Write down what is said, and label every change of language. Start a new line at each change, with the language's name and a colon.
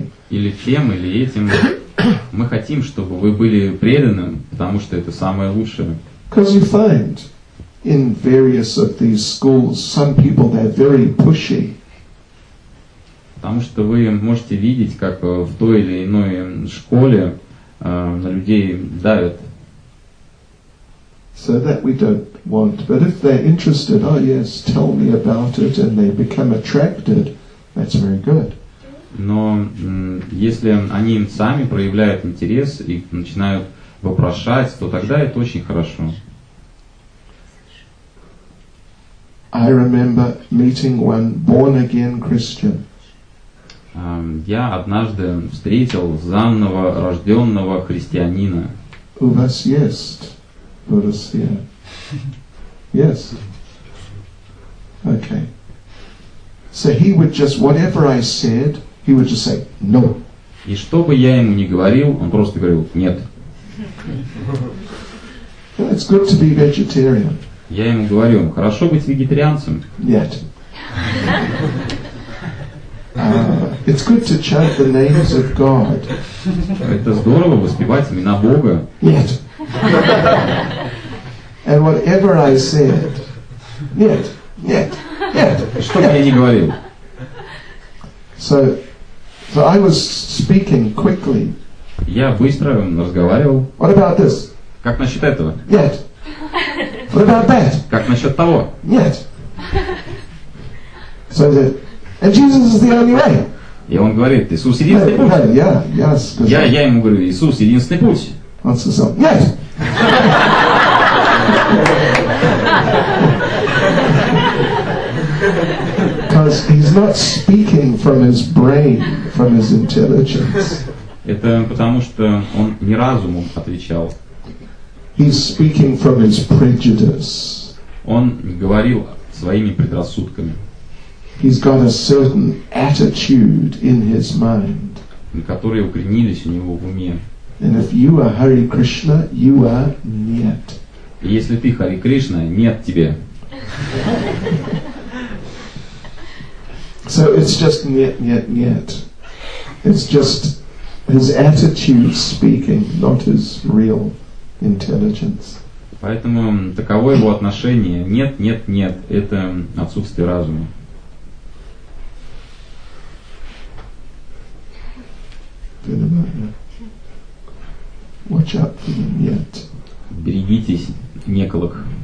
Russian: Или тем, или этим. Мы хотим, чтобы вы были преданным, потому что это самое лучшее.
English: Because you find in various of these schools some people that are very pushy.
Russian: Потому что вы можете видеть, как в той или иной школе на людей давят.
English: So that we don't want. But if they're interested, oh yes, tell me about it, and they become attracted, that's very good.
Russian: Но если они сами проявляют интерес и начинают вопрошать, то тогда это очень хорошо.
English: I remember meeting one born-again Christian.
Russian: Я однажды встретил заново рожденного христианина. У вас есть Буддхия?
English: Yes. Okay. So he would just, whatever I said, he would just say, no.
Russian: И что бы я ему ни говорил, он просто говорил, нет.
English: Well, it's good to be vegetarian.
Russian: Я ему говорю, хорошо быть вегетарианцем. Нет.
English: It's good to chant the names of God.
Russian: Это здорово воспевать имена Бога. Нет.
English: And whatever I said,
Russian: нет, нет, нет. Что бы я ни говорил.
English: So I was speaking quickly.
Russian: Я быстро разговаривал.
English: What about this?
Russian: Как насчет этого? Нет.
English: What about that?
Russian: Как насчет того? Нет.
English: So I said, and Jesus is the only way.
Russian: И он говорит, Иисус единственный путь. Я ему говорю, Иисус единственный путь. Он сказал, нет.
English: not speaking from his brain, from his intelligence.
Russian: Это потому, что он не разумом отвечал.
English: He's speaking from his prejudice.
Russian: Он говорил своими предрассудками.
English: He's got a certain attitude in his mind.
Russian: Которые укоренились у него в уме.
English: And if you are Hare Krishna, you are
Russian: нет. Если ты Хари Кришна, нет тебе.
English: So it's just
Russian: нет.
English: It's just his attitude speaking, not his real intelligence.
Russian: Поэтому таково его отношение. Нет. Это отсутствие разума.
English: Watch out for the
Russian: нет. Берегитесь неколок.